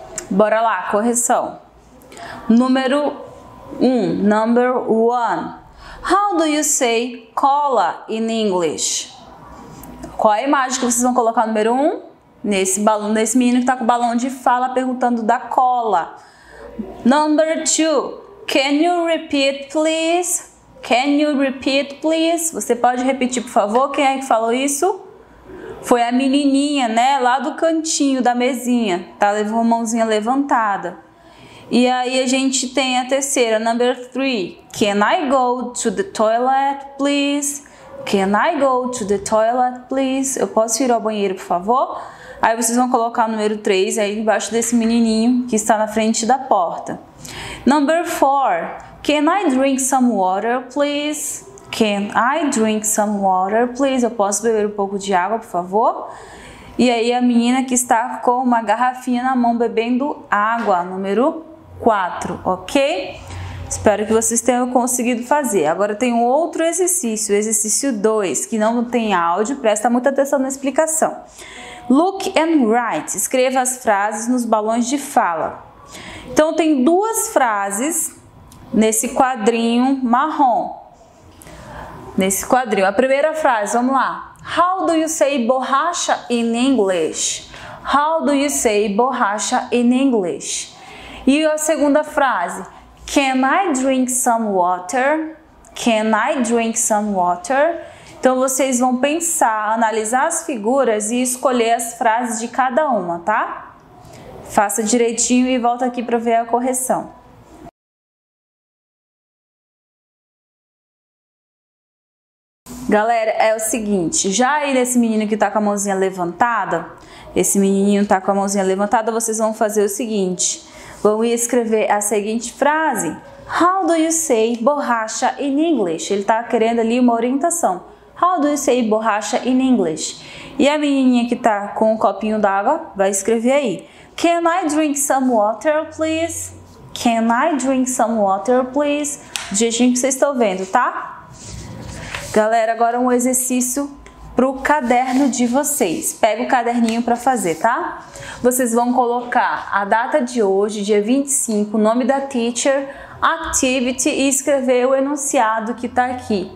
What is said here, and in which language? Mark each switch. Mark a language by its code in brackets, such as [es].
[pt] Bora lá, correção. Número 1. [en] Number 1. How do you say cola in English? [pt] Qual é a imagem que vocês vão colocar no número 1? Nesse balão, nesse menino que tá com o balão de fala perguntando da cola. [en] Number 2. Can you repeat, please? Can you repeat, please? [pt] Você pode repetir, por favor? Quem é que falou isso? Foi a menininha, né? Lá do cantinho da mesinha. Tá com a mãozinha levantada. E aí a gente tem a terceira. [en] Number 3. Can I go to the toilet, please? Can I go to the toilet, please? [pt] Eu posso ir ao banheiro, por favor? Aí vocês vão colocar o número 3 aí embaixo desse menininho que está na frente da porta. [en] Number 4. Can I drink some water, please? Can I drink some water, please? [pt] Eu posso beber um pouco de água, por favor? E aí a menina que está com uma garrafinha na mão bebendo água, número 4, ok? Espero que vocês tenham conseguido fazer. Agora tem um outro exercício, o exercício 2, que não tem áudio. Presta muita atenção na explicação. [en] Look and write. [pt] Escreva as frases nos balões de fala. Então tem duas frases nesse quadrinho marrom. Nesse quadrinho. A primeira frase, vamos lá. [en] How do you say borracha in English? How do you say borracha in English? E a segunda frase. Can I drink some water? Can I drink some water? [pt] Então vocês vão pensar, analisar as figuras e escolher as frases de cada uma, tá? Faça direitinho e volta aqui para ver a correção. Galera, é o seguinte, já aí nesse menino que tá com a mãozinha levantada, esse menininho tá com a mãozinha levantada, vocês vão fazer o seguinte, vão escrever a seguinte frase, [en] How do you say borracha in English? [pt] Ele tá querendo ali uma orientação. [en] How do you say borracha in English? [pt] E a menininha que tá com um copinho d'água vai escrever aí, [en] Can I drink some water, please? Can I drink some water, please? [pt] Do jeitinho que vocês estão vendo, tá? Galera, agora um exercício pro caderno de vocês. Pega o caderninho para fazer, tá? Vocês vão colocar a data de hoje, dia 25, o nome da teacher, activity e escrever o enunciado que tá aqui.